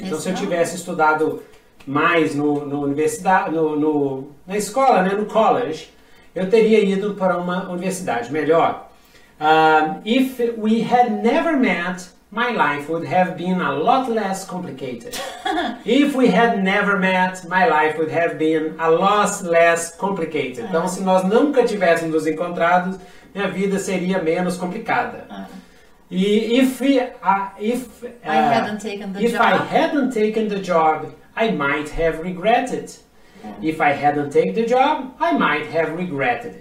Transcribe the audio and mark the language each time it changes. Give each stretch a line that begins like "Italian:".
Portuguese: Então, se eu tivesse estudado mais no universidade, na escola, né, no college, eu teria ido para uma universidade melhor.
English: If we had never met, my life would have been a lot less complicated. If we had never met, my life would have been a lot less complicated.
Portuguese: Então, se nós nunca tivéssemos nos encontrado, minha vida seria menos complicada.
English: E if I hadn't taken the job, I might have regretted. If I hadn't taken the job, I might have regretted it.